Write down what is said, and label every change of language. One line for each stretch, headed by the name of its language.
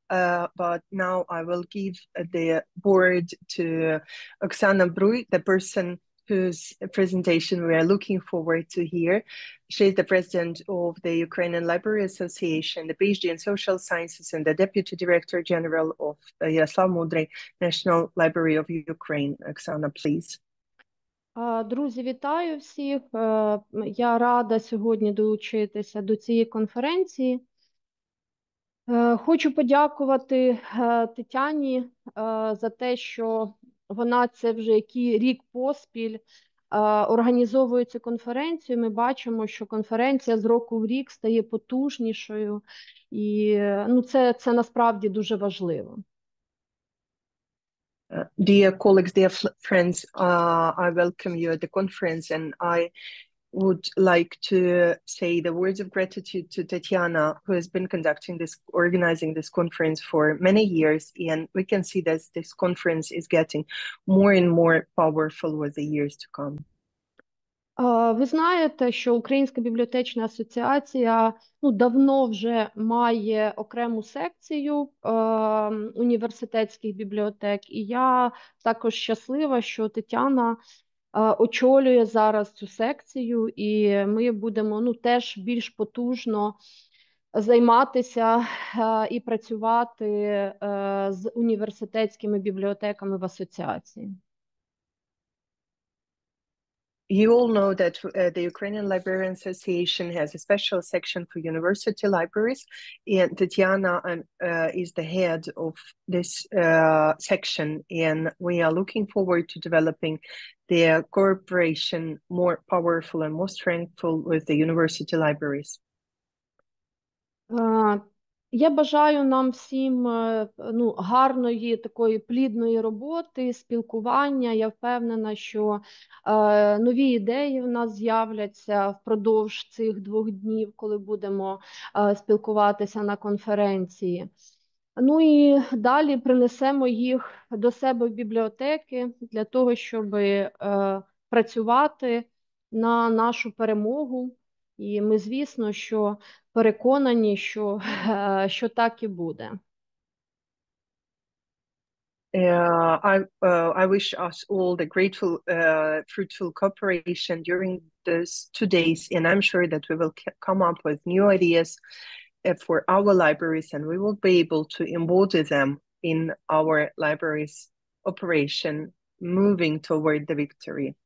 English: But now I will give the word to Oksana Bruj, the person whose presentation we are looking forward to hear. She is the president of the Ukrainian Library Association, the PhD in Social Sciences, and the Deputy Director General of Yaroslav Mudry National Library of Ukraine. Oksana, please.
Ukrainian: Друзі, вітаю всіх. Я рада сьогодні долучитися до цієї конференції. Хочу подякувати Тетяні за те, що вона це вже який рік поспіль організовує цю конференцію. Ми бачимо, що конференція з року в рік стає потужнішою, і ну, це насправді дуже важливо.
English: Dear colleagues, dear friends, I welcome you at the conference, and I would like to say the words of gratitude to Tatiana, who has been conducting this, organizing this conference for many years, and we can see that this conference is getting more and more powerful with the years to come.
Ukrainian: Ви знаєте, що Українська бібліотечна асоціація ну, давно вже має окрему секцію університетських бібліотек, і я також щаслива, що Тетяна очолює зараз цю секцію, і ми будемо ну, теж більш потужно займатися і працювати з університетськими бібліотеками в асоціації.
English: You all know that the Ukrainian Library Association has a special section for university libraries, and Tatiana is the head of this section, and we are looking forward to developing the cooperation more powerful and more strengthful with the university libraries.
Ukrainian: Я бажаю нам всім ну, гарної такої плідної роботи, спілкування. Я впевнена, що нові ідеї в нас з'являться впродовж цих двох днів, коли будемо спілкуватися на конференції. Ну і далі принесемо їх до себе в бібліотеки для того, щоб працювати на нашу перемогу. І ми, звісно, що переконані, що, що так і буде.
English: I wish us all the grateful, fruitful cooperation during those 2 days, and I'm sure that we will come up with new ideas for our libraries, and we will be able to embody them in our libraries operation moving toward the victory.